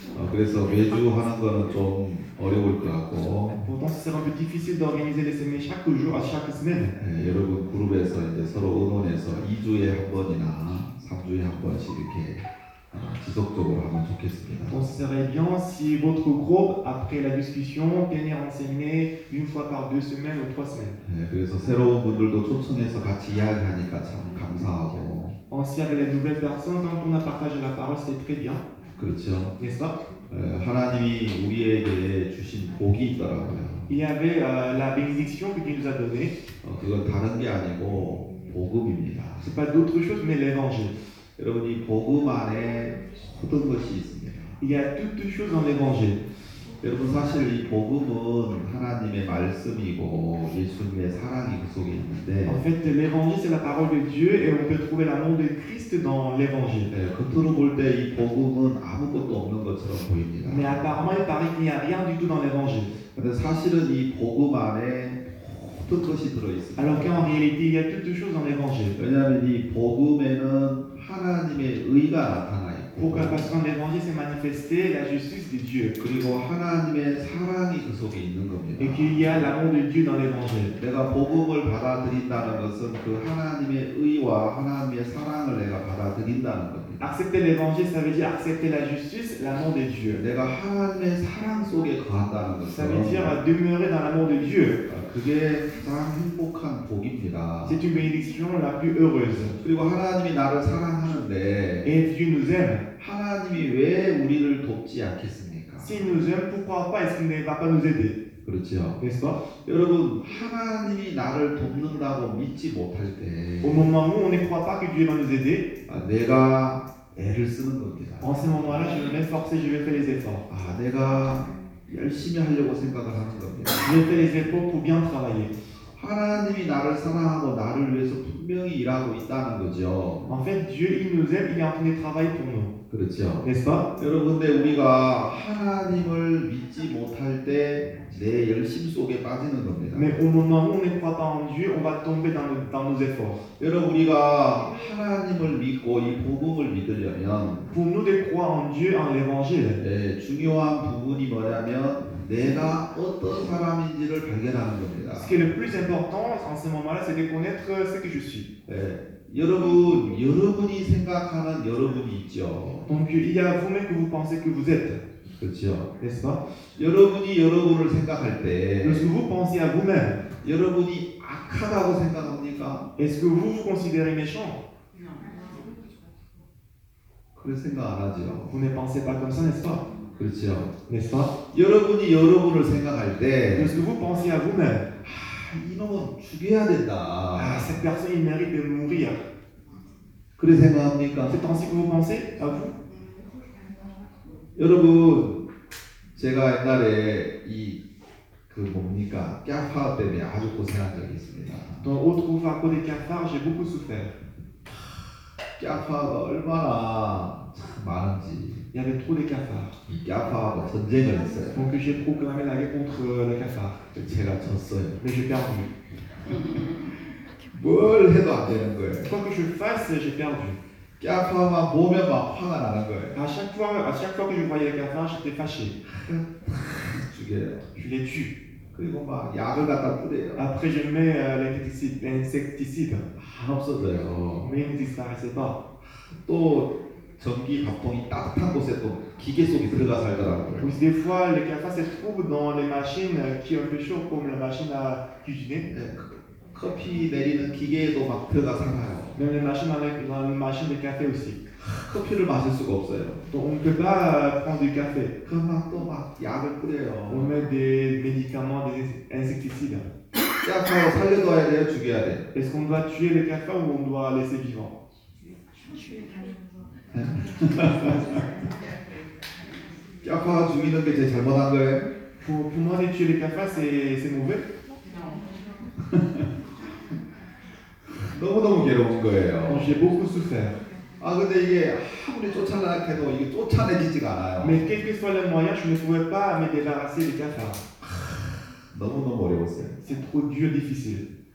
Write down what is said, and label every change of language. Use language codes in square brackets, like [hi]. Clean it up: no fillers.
[ko] 그래서 매주 하는 거는 좀 어려울 것 같고. [fr] Pourtant, c'est un peu difficile d'organiser les séminaires chaque jour, à chaque semaine. [ko] 여러분 그룹에서 이제 서로 의논해서 2주에 한 번이나 3주에 한 번씩 이렇게 지속적으로 하면 좋겠습니다. [fr] Donc, ce serait bien si votre groupe, après la discussion, tenait un séminaire une fois par deux semaines ou trois semaines. [ko] 그래서 새로운 분들도 초청해서 같이 이야기하니까 참 감사하고. [fr] Aussi avec les nouvelles personnes, quand on a partagé la parole, c'était très bien. [ko] 그렇죠. 됐어? 하나님이 우리에게 주신 복이 있더라고요. [fr] Il y avait la bénédiction que Dieu nous a donnée. [ko] 그건 다른 게 아니고 복음입니다. [fr] C'est pas d'autre chose mais l'évangile. [ko] 여러분, 이 복음 안에 모든 것이 있습니다. [fr] Il y a toutes choses dans l'évangile. [ko] 여러분, 사실 이 복음은 하나님의 말씀이고 예수님의 사랑이 그 속에 있는데 [fr] En fait, l'évangile c'est la parole de Dieu et on peut trouver l'amour de Christ dans l'évangile. [ko] 네, 겉으로 볼 때 이 복음은 아무것도 없는 것처럼 보입니다. [fr] Mais apparemment, il paraît qu'il n'y a rien du tout dans l'évangile. [ko] 근데 사실은 이 복음 안에 모든 것이 들어있습니다. [fr] Alors qu'en réalité, il y a toutes choses dans l'évangile. [ko] 왜냐하면 이 복음에는 하나님의 의가 나타나 [fr] Pourquoi? Parce qu'en l'évangile s'est manifestée la justice de Dieu. [ko] 그리고 하나님의 사랑이 그 속에 있는 겁니다. [fr] Et qu'il y a l'amour de Dieu dans l'évangile. [ko] 내가 복음을 받아들인다는 것은 그 하나님의 의와 하나님의 사랑을 내가 받아들인다는 겁니다. [fr] Accepter l'évangile, ça veut dire accepter la justice, l'amour de Dieu. [ko] 내가 하나님의 사랑 속에 거한다는 것. [fr] Ça veut dire demeurer dans l'amour de Dieu. [ko] 그게 가장 행복한 복입니다. [fr] C'est une bénédiction la plus heureuse. [ko] 그리고 하나님이 나를 사랑하는데 [fr] Et Dieu nous aime. [ko] 하나님이 왜 우리를 돕지 않겠습니까? [fr] Si nous aime, pourquoi pas est-ce qu'il ne va pas nous aider? [ko] 그렇죠. 그래서 여러분 하나님이 나를 돕는다고 믿지 못할 때 [fr] Au moment où on ne croit pas que Dieu va nous aider, [ko] 아, 내가 애를 쓰는 겁니다. [fr] En ce moment-là, je vais m'efforcer, je vais faire les efforts. [ko] 아, 내가 열심히 하려고 생각을 하는 겁니다. [fr] Je fais les efforts pour bien travailler. [ko] 하나님이 나를 사랑하고 나를 위해서 분명히 일하고 있다는 거죠. [fr] En fait, Dieu il nous aime, il est en train de travailler pour nous. [ko] 그렇죠. [fr] N'est-ce pas? [ko] 여러분들 우리가 하나님을 믿지 못할 때 내 열심 속에 빠지는 겁니다. [fr] Mais au moment où on ne croit pas en Dieu, on va tomber dans nos efforts. [ko] 여러분 우리가 하나님을 믿고 이 복음을 믿으려면 [fr] Pour nous de croire en Dieu, en l'Évangile. [ko] 네, 중요한 부분이 뭐냐면 내가 어떤 사람인지를 발견하는 겁니다. [fr] Ce qui est le plus important en ce moment-là, c'est de connaître ce que je suis. [ko] 네. 여러분, 여러분이 생각하는 여러분이 있죠. [fr] Donc il y a vous-même que vous pensez que vous êtes. [ko] 그렇죠. 됐어? 여러분이 여러분을 생각할 때 [fr] Lorsque vous pensez à vous-même, [ko] 여러분이 악하다고 생각합니까? [fr] Est-ce que vous vous considérez méchant? [ko] 그런 생각 안 하죠. [fr] Vous ne pensez pas comme ça, n'est-ce pas? [ko] 그렇죠. [fr] N'est-ce pas? [ko] 여러분이 여러분을 생각할 때 [fr] Lorsque vous pensez à vous-même, [ko] 이놈은 죽여야 된다. [fr] Ah, cette personne, il mérite de mourir. [ko] 그래 생각합니까? [fr] C'est ainsi que vous pensez, à vous? [ko] 여러분, 제가 옛날에 이 그 뭡니까? 깨파 때문에 아주 고생한 적이 있습니다. [fr] Dans autre ouvre à côté Cafard, j'ai beaucoup souffert. [ko] 깨파가 얼마나 참 많은지. [fr] Il y avait trop de cafards. [ko] 이 깨파하고 전쟁을 했어요. [fr] Donc j'ai proclamé la guerre contre le cafard. [ko] 제가 졌어요. [fr] Mais j'ai perdu. [ko] 뭘 해도 안 되는 거예요. [fr] Quoi que je fasse, j'ai perdu. [ko] 깨파만 보면 막 화가 나는 거예요. [fr] À chaque fois que je voyais le cafard, j'étais fâché. [ko] 죽여요. [fr] Je les tue. [ko] 그리고 막 약을 갖다 뿌려요. [fr] Après, je mets l'insecticide. [ko] 안 없어져요. [fr] Mais il ne disparaissait pas. [ko] 또 전기 가풍이 따뜻한 곳에 또 기계 속에 들어가 살더라고요. [fr] Des fois, le cafard se trouve dans les machines qui ont fait chaud comme la machine à cuisiner. [ko] 네, 커피 내리는 기계에도 막 들어가 살아요. [fr] Dans les machines de café aussi. [ko] 커피를 마실 수가 없어요. [fr] Donc on ne peut pas prendre du café. [ko] 그러나 또 막 약을 뿌려요. [fr] On met des médicaments, des insecticides. [ko] 깨파 살려둬야 돼요? 죽여야 돼? [fr] Est-ce qu'on doit tuer le cafard ou on doit laisser vivant? [ko] 깨파 죽이는 게 제 잘못한 거예요? [fr] Pour moi, tuer le cafard, c'est mauvais? Non. [ko] 너무너무 괴로운 거예요. [fr] J'ai beaucoup souffert. [ko] 아 근데 이게 아무리 쫓아내려고 해도 이게 쫓아내지가 않아요. [fr] Mais quel que soit le moyen, je ne pouvais pas me débarrasser des cafards. [ko] 너무너무 어려웠어요. [fr] C'est trop dur, difficile.